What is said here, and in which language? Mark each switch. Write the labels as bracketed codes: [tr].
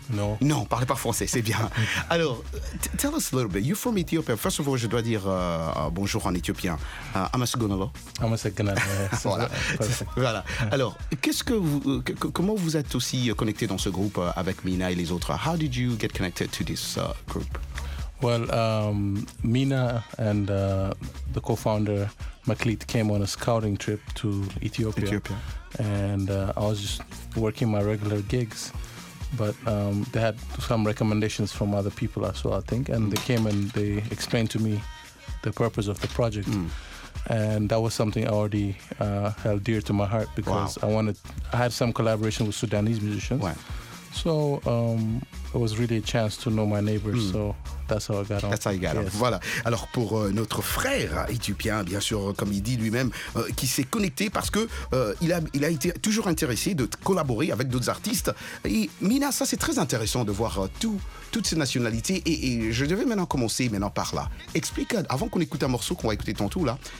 [fr] Non. Non, parlez pas français, c'est bien. Alors, [en] tell us a little bit. You're from Ethiopia. First of all, [fr] je dois dire bonjour en éthiopien. [am] Amasugunolo. Amasugunolo. [fr] Voilà. Voilà. Alors, comment vous êtes aussi connecté dans ce groupe avec Mina et les autres? [en] How did you get connected to this group? Well, Mina and the co-founder Maklit came on a scouting trip to Ethiopia. And I was just working my regular gigs, but they had some recommendations from other people as well, I think, and they came and they explained to me the purpose of the project. And that was something I already held dear to my heart, because I had some collaboration with Sudanese musicians. Wow. So it was really a chance to know my neighbors. So that's how I got on. That's how you got on. Yes. Voilà. [fr] Alors pour notre frère éthiopien, bien sûr, comme il dit lui-même, qui s'est connecté parce que il a été toujours intéressé de collaborer avec d'autres artistes. Et Mina, ça c'est très intéressant de voir toutes ces nationalités. Et je devais commencer par là. Explique avant qu'on écoute un morceau qu'on va écouter tantôt là.